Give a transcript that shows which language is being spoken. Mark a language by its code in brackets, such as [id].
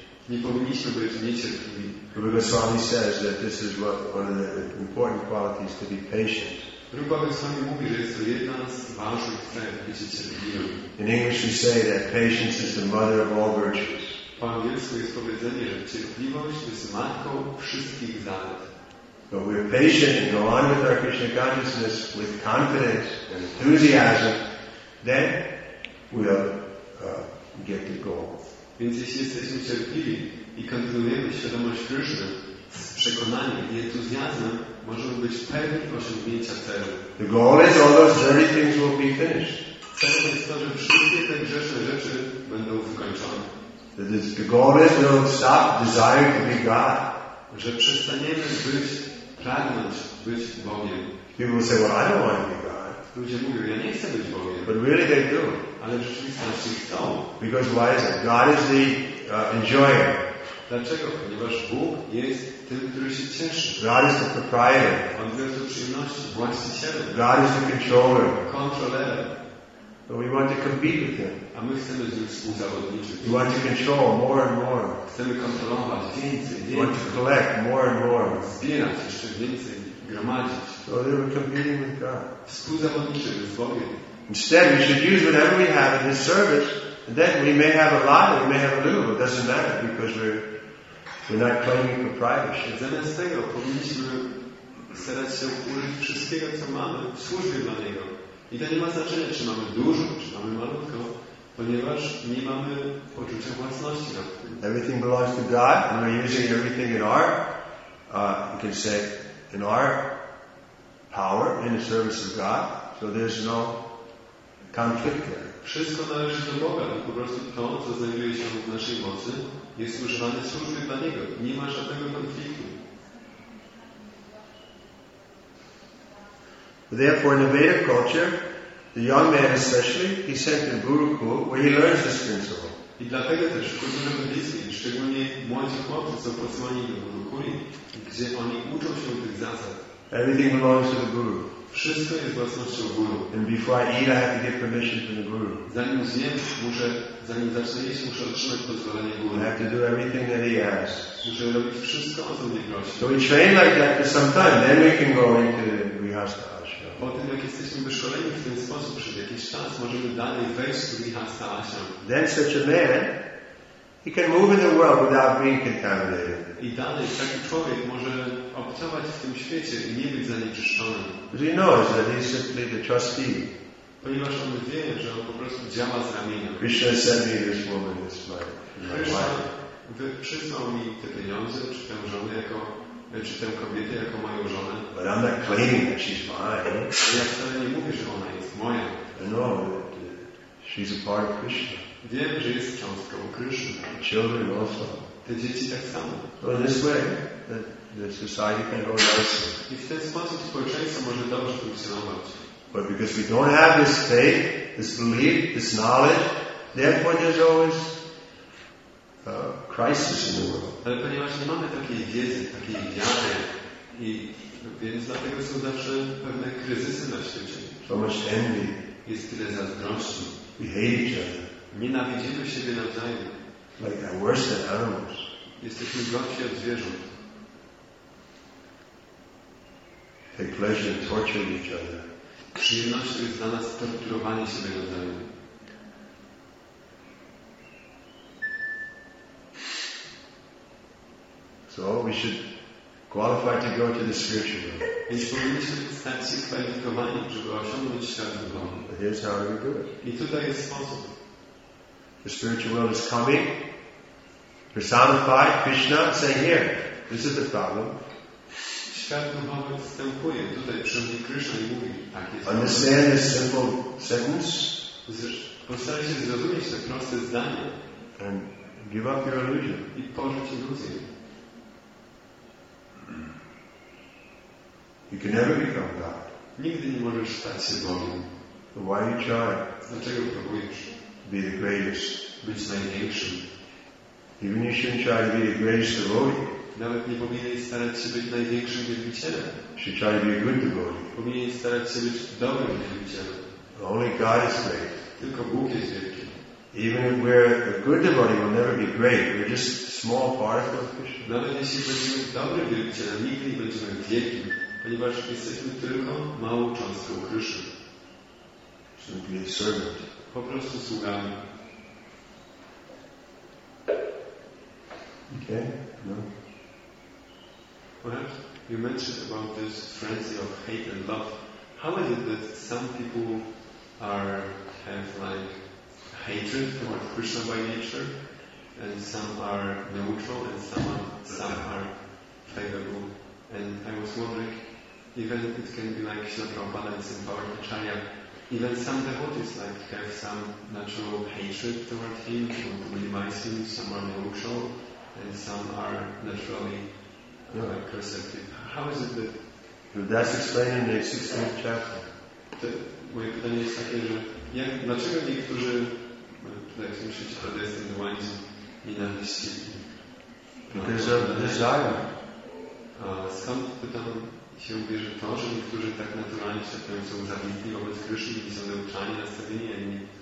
[pl] Nie powinniśmy być niecierpliwi. [en] Rupa Goswami says that this is what one of the important qualities to be patient. [pl] Rupa Goswami mówi, że jest to jedna z ważnych cech, być cierpliwym. [en] In English we say that patience is the mother of all virtues. [pl] Po angielsku jest powiedzenie, że cierpliwość jest matką wszystkich zalet. [en] But we are patient and go on with our Krishna consciousness with confidence and enthusiasm, then we'll get the goal. [pl] Więc jeśli jesteśmy cierpliwi i kontynuujemy świadomość Krishna z przekonaniem i entuzjazmem, możemy być pewni osiągnięcia celu. [en] The goal is all those dirty things will be finished. [pl] Celem jest to, że wszystkie te grzeszne rzeczy będą wykończone. [en] The goal is we'll stop desiring to be God. [pl] Że przestaniemy być, pragnąć być Bogiem. [en] People will say, well, I don't want to be God. [pl] Ludzie mówią, ja nie chcę być Bogiem. [en] But really they do. [pl] Ale w rzeczywistości chcą. [en] Because why is it? God is the enjoyer. [pl] Dlaczego? Ponieważ Bóg jest tym, który się cieszy. [en] God is the proprietor. [pl] On jest przyjemności, właścicielem. [en] God is the controller. Controller. But we want to compete with him. [pl] A my chcemy z nim współzawodniczyć. [en] We want to control more and more. [pl] Chcemy kontrolować więcej, więcej. [en] We want to collect more and more. [pl] Zbierać jeszcze więcej, gromadzić. [en] So they were competing with God. [pl] Współzawodniczymy z Bogiem. [en] Instead, we should use whatever we have in His service, and then we may have a lot, or we may have a little, but it doesn't matter because we're not claiming proprietorship. [pl] Zamiast tego powinniśmy starać się użyć wszystkiego, co mamy, w służbie dla Niego. I to nie ma znaczenia, czy mamy dużo, czy mamy malutko, ponieważ nie mamy poczucia własności. [en] Everything belongs to God, and we're using everything in our, you can say, in our power, in the service of God. So there's no conflict there. [pl] Wszystko należy do Boga, bo po prostu to, co znajduje się w naszej mocy, jest używane w służbie dla Niego. Nie ma żadnego konfliktu. [en] Therefore, in the Vedic culture, the young man especially, he's sent to Gurukul, where he learns this principle. [pl] I dlatego też w kulturze medycznej, szczególnie młodzi chłopcy są posłani do Gurukuli, gdzie oni uczą się tych zasad. [en] Everything belongs to the Guru. [pl] Wszystko jest własnością Guru. [en] And before I eat, I have to get permission from the Guru. [pl] Zanim zjem, muszę, zanim zacznę jeść, muszę otrzymać pozwolenie Guru. [en] I have to do everything that he asks. [pl] Muszę robić wszystko, o co mnie prosi. [en] So we train like that for some time, then we can go into the Grihastha Ashram. [pl] Po tym, jak jesteśmy wyszkoleni w ten sposób, przez jakiś czas możemy dalej wejść w Grihastha Ashram. [en] Then such a man, he can move in the world without being contaminated. [pl] I dalej taki człowiek może obcować w tym świecie i nie być zanieczyszczony. [en] He knows that he's simply the trustee. [pl] Ponieważ on wie, że on po prostu działa z ramienia. [en] Krishna sent me this woman, this my wife. [pl] Przysłał mi te pieniądze, czy tę żonę jako, czy tę kobietę jako moją żonę. [en] But I'm not claiming that she's mine. [pl] Ja wcale nie mówię, że ona jest moja. [en] I know that she's a part of Krishna. [pl] Wiem, że jest cząstką Krishna. [en] Children also. [pl] Te dzieci tak samo. [en] So in this way, the society can go nicely. [pl] I w ten sposób społeczeństwo może dobrze funkcjonować. [en] But because we don't have this faith, this belief, this knowledge, therefore there's always crisis in the world. [pl] Ale ponieważ nie mamy takiej wiedzy, takiej wiary, i więc dlatego są zawsze pewne kryzysy na świecie. [en] So much envy. [pl] Jest tyle zazdrości. [en] We hate each other. [pl] Nienawidzimy siebie nawzajem. [en] Like I worse than animals. [pl] Jesteśmy gorsi od zwierząt. [en] Take pleasure in torturing each other. [pl] Przyjemność jest dla nas torturowanie siebie nawzajem. [en] So we should qualify to go to the spiritual realm. [pl] Więc powinniśmy stać się kwalifikowani, żeby osiągnąć świat duchowy. [en] Here's how we do it. [pl] I tutaj jest sposób. [en] The spiritual world is coming. Personified Krishna, say here. This is the problem. [pl] Świat duchowy wstępuje tutaj przed Krishna i mówi, tak jest. [en] Understand this simple sentence. [pl] Postaraj się zrozumieć to proste zdanie. [en] And give up your illusion. [pl] I porzuć iluzję. [en] You can never become God. [pl] Nigdy nie możesz stać się Bogiem. [en] So why you try? [pl] Dlaczego próbujesz? [en] Be the greatest. [pl] Być największym. [en] Even you shouldn't try to be the greatest devotee. [pl] Nawet nie powinieneś starać się być największym wielbicielem. [en] You should try to be a good devotee. [pl] Powinieneś starać się być dobrym wielbicielem. [en] Only God is great. [pl] Tylko Bóg jest wielki. [en] Even if we're a good devotee, we'll never be great. We're just small particle of Krishna. [pl] Nawet jeśli będziemy dobrym wielbicielem, nigdy nie będziemy wielkim. Ponieważ jesteśmy tylko małą cząstką Kryszy. [en] Simply a servant. [pl] Po prostu sługami. [en] Okay, no. Perhaps you mentioned about this frenzy of hate and love. How is it that some people have like hatred toward Krishna by nature, and some are neutral, and some are favorable? And I was wondering, even it can be like Śrīla Prabhupāda and Śrīla Bhaktacharya, even some devotees like have some natural hatred toward him, to minimize him, some are neutral, and some are naturally perceptive. How is it that... That's explained in the 16th chapter. [pl] Moje pytanie jest takie, że dlaczego niektórzy, tutaj w tym świecie protestant, wojny, nienawiści? [en] Because of desire. [pl] Skąd pytam się bierze to, że niektórzy tak naturalnie się tym są zabitni wobec Krishna i są neutralni nastawieni, a inni...